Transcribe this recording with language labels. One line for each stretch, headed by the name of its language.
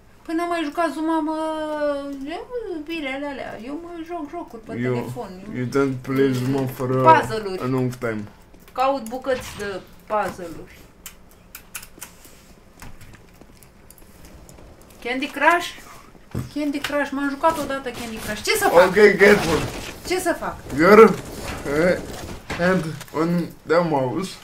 Romanian: Păi n-am mai jucat Zuma, mă... Birele alea. Eu mă joc-jocuri pe telefon.
English: You don't play Zuma for a long time.
Romanian: Caut bucăți de puzzle-uri. Candy Crush? Candy Crush, m-am jucat odată Candy Crush. Ce să fac?
English: Ok, careful.
Romanian: Ce să fac?
English: Your hand on the mouse.